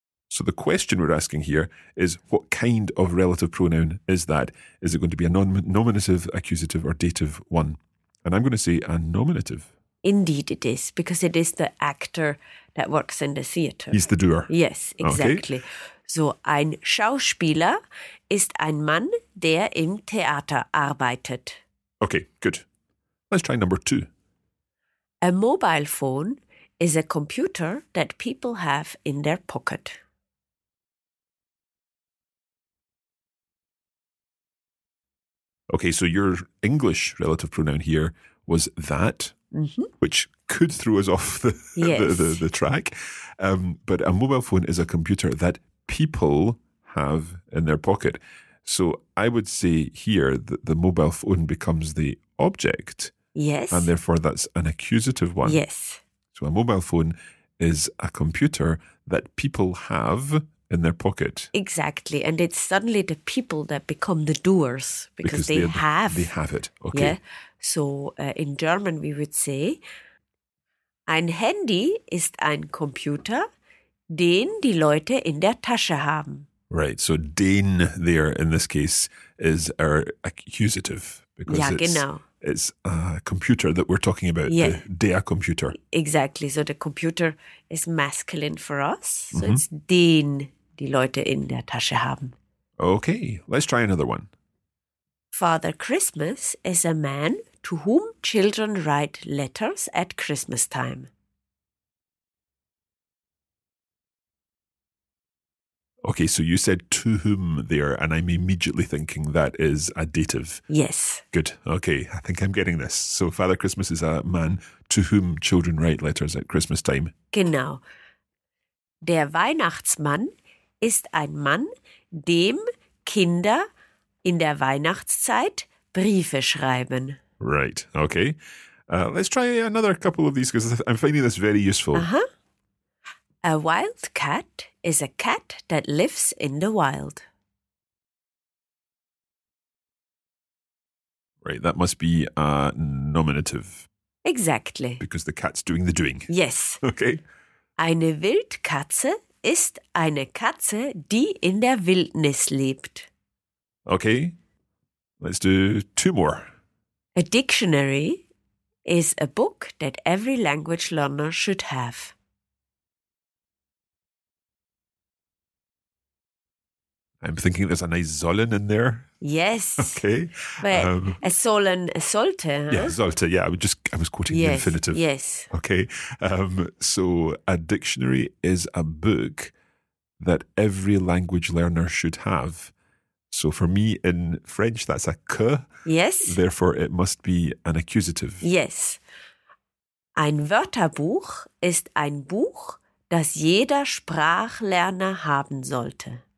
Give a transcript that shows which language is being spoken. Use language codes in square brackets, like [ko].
[en] So the question we're asking here is, what kind of relative pronoun is that? Is it going to be a nominative, accusative, or dative one? And I'm going to say a nominative. Indeed it is, because it is the actor that works in the theatre. He's the doer. Yes, exactly. Okay. [de] So ein Schauspieler ist ein Mann, der im Theater arbeitet. [en] Okay, good. Let's try number two. A mobile phone is a computer that people have in their pocket. Okay, so your English relative pronoun here was that, which could throw us off the track. But a mobile phone is a computer that people have in their pocket. So I would say here that the mobile phone becomes the object. Yes. And therefore that's an accusative one. Yes. So a mobile phone is a computer that people have in their pocket. Exactly. And it's suddenly the people that become the doers because they have it. Okay. Yeah. So in German we would say, [de] ein Handy ist ein Computer, den die Leute in der Tasche haben. [en] Right, so den there in this case is our accusative because it's a computer that we're talking about, der Computer. Exactly, so the computer is masculine for us, so it's [de] den die Leute in der Tasche haben. [en] Okay, let's try another one. Father Christmas is a man to whom children write letters at Christmas time. Okay, so you said to whom there, and I'm immediately thinking that is a dative. Yes. Good. Okay, I think I'm getting this. So Father Christmas is a man to whom children write letters at Christmas time. [de] Genau. Der Weihnachtsmann ist ein Mann, dem Kinder in der Weihnachtszeit Briefe schreiben. [en] Right, okay. Let's try another couple of these because I'm finding this very useful. Uh-huh. A wild cat is a cat that lives in the wild. Right, that must be a nominative. Exactly. Because the cat's doing the doing. Yes. Okay. [de] Eine Wildkatze ist eine Katze, die in der Wildnis lebt. [en] Okay, let's do two more. A dictionary is a book that every language learner should have. I'm thinking there's a nice sollen in there. Yes. Okay. [de] Sollte. Huh? [en] Yeah, sollte. Yeah, I was quoting the infinitive. Yes. Okay. So a dictionary is a book that every language learner should have. So for me in French, that's a que. Yes. Therefore, it must be an accusative. Yes. [de] Ein Wörterbuch ist ein Buch, das jeder Sprachlerner haben sollte.